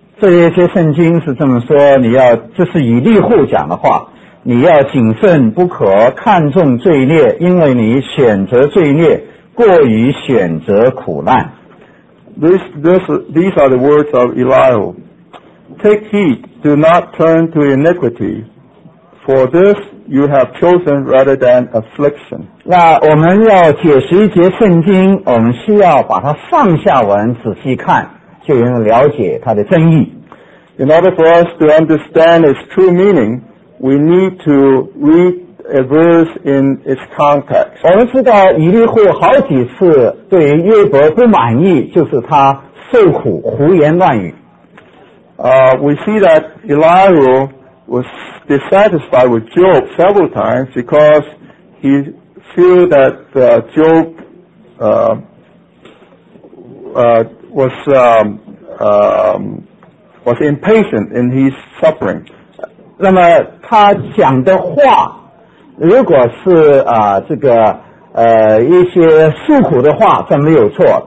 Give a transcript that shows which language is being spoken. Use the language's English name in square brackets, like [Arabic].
[Chinese] 这一些圣经是这么说你要就是以利户讲的话你要谨慎不可看重罪孽因为你选择罪孽过于选择苦难 [English] These are the words of Elihu. Take heed, do not turn to iniquity, for this you have chosen rather than affliction. [Chinese] 那我们要解释一节圣经，我们需要把它放下文仔细看，就能了解它的真意。 [English] In order for us to understand its true meaning, we need to read a verse in its context. [Chinese] 我们知道以利户好几次对约伯不满意，就是他受苦胡言乱语。 [English] We see that Elihu was dissatisfied with Job several times because he feel that Job was impatient in his suffering. [Chinese] 那么他讲的话。如果是这个一些诉苦的话，这没有错。